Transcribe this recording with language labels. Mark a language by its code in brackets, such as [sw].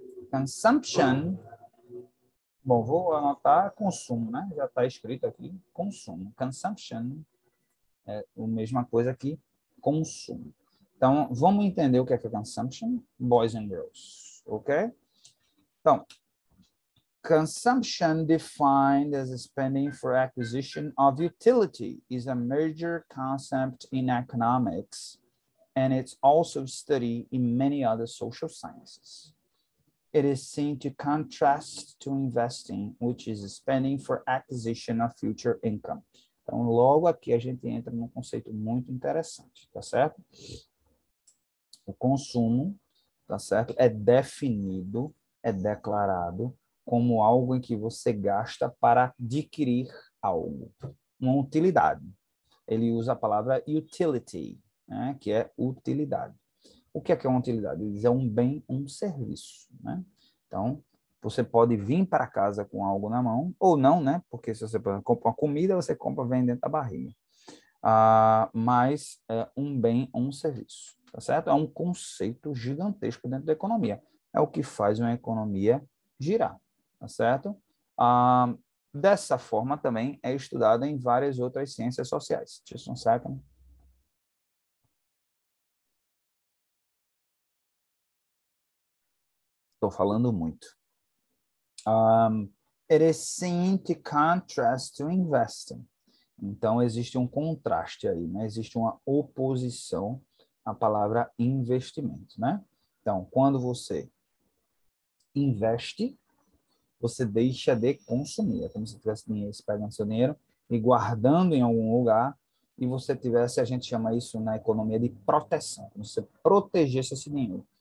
[pt] Consumption. Bom, vou anotar consumo, né? Já está escrito aqui, consumo. Consumption. É a mesma coisa que consumo. Então, vamos entender o que é consumption, [en] boys and girls, [pt] ok? [en] Então, consumption, defined as spending for acquisition of utility, is a major concept in economics, and it's also studied in many other social sciences. It is seen to contrast to investing, which is spending for acquisition of future income. [pt] Então, logo aqui a gente entra num conceito muito interessante, tá certo? O consumo, tá certo? É definido, é declarado como algo em que você gasta para adquirir algo, uma utilidade. Ele usa a palavra utility, né? Que é utilidade. O que é uma utilidade? Ele diz, é um bem, um serviço, né? Então, você pode vir para casa com algo na mão, ou não, né? Porque se você, por exemplo, compra uma comida, você compra vendendo a barriga. Mas é um bem ou um serviço, tá certo? É um conceito gigantesco dentro da economia. É o que faz uma economia girar, tá certo? Dessa forma também é estudada em várias outras ciências sociais. [en] Just one second. [pt] Estou falando muito. [en] It is seen to contrast to investing. [pt] Então, existe um contraste aí, né? Existe uma oposição à palavra investimento, né? Então, quando você investe, você deixa de consumir. É como se você tivesse dinheiro, se pegando seu dinheiro e guardando em algum lugar, e você tivesse, a gente chama isso na economia de proteção, como se você protegesse esse dinheiro.